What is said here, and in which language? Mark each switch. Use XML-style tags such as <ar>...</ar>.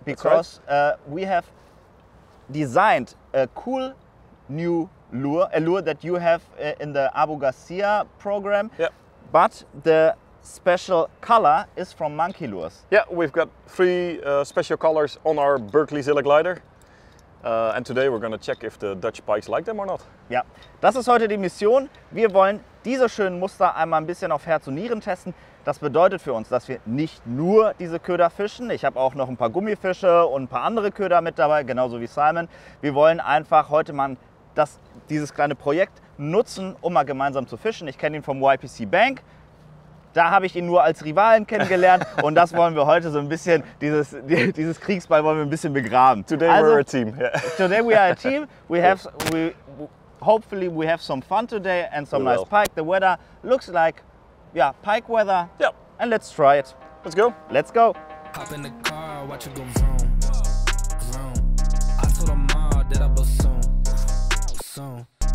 <en>because we have designed a cool new lure, a lure that you have in the Abu Garcia program. Yeah. But the special color is from monkey lures. Yeah, we've got three special colors on our Berkeley Zilla glider. And today we're gonna check if the Dutch pikes like them or not.</en> <de>Ja, das ist heute die Mission. Wir wollen diese schönen Muster einmal ein bisschen auf Herz und Nieren testen. Das bedeutet für uns, dass wir nicht nur diese Köder fischen. Ich habe auch noch ein paar Gummifische und ein paar andere Köder mit dabei, genauso wie Simon. Wir wollen einfach heute mal dieses kleine Projekt nutzen, um mal gemeinsam zu fischen. Ich kenne ihn vom YPC Bank. Da habe ich ihn nur als Rivalen kennengelernt und das wollen wir heute so ein bisschen, dieses Kriegsball wollen wir ein bisschen begraben.</de> <en>Today also, we're a team. Today we are a team. We have, hopefully we have some fun today and some we nice will. Pike. The weather looks like, yeah, pike weather. Yep. And let's try it. Let's go. Let's go. Hop in the car, watch it go vroom, vroom. I told them all that I'll be soon, soon.</en>